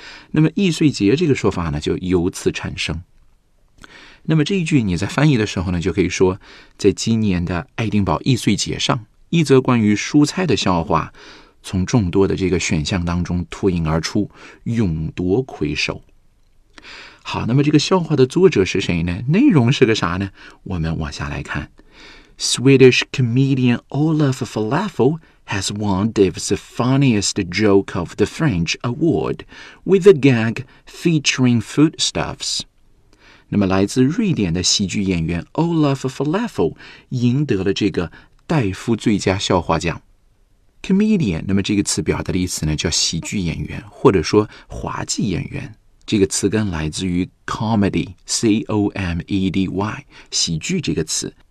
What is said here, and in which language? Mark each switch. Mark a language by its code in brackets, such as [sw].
[zh] 那么易碎节这个说法呢就由此产生。那么这一句你在翻译的时候呢就可以说，在今年的爱丁堡易碎节上，一则关于蔬菜的笑话从众多的这个选项当中脱颖而出，勇夺魁首。好，那么这个笑话的作者是谁呢？内容是个啥呢？我们往下来看。 [en] Swedish comedian Olaf Falafel has won Dave's Funniest Joke of the Fringe Award with a gag featuring foodstuffs. [zh] 那么来自瑞典的喜剧演员 Olaf Falafel 赢得了这个戴夫最佳笑话奖。 Comedian, 那么这个词表达的意思呢叫喜剧演员或者说滑稽演员。这个词根来自于 comedy, C-O-M-E-D-Y, 喜剧这个词。